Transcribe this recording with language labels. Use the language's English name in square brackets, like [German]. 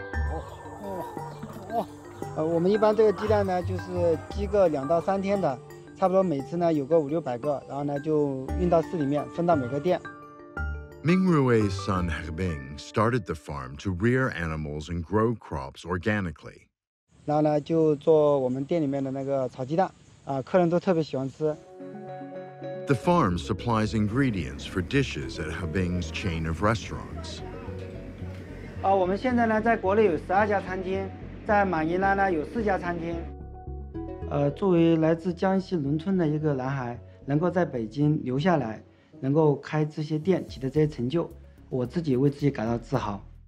[English] We usually have this seed bag for 2 to 3 days. Each time, there are about 500 to 600. Then it's put into 4 boxes and sent to each store. Ming Rui's son He Bing started the farm to rear animals and grow crops organically. [Chinese] 然后呢，就做我们店里面的那个炒鸡蛋，客人都特别喜欢吃。 [English] The farm supplies ingredients for dishes at He Bing's chain of restaurants. [Chinese] 我们现在呢，在国内有12家餐厅，在马尼拉呢有4家餐厅。作为来自江西农村的一个男孩，能够在北京留下来，能够开这些店，取得这些成就，我自己为自己感到自豪。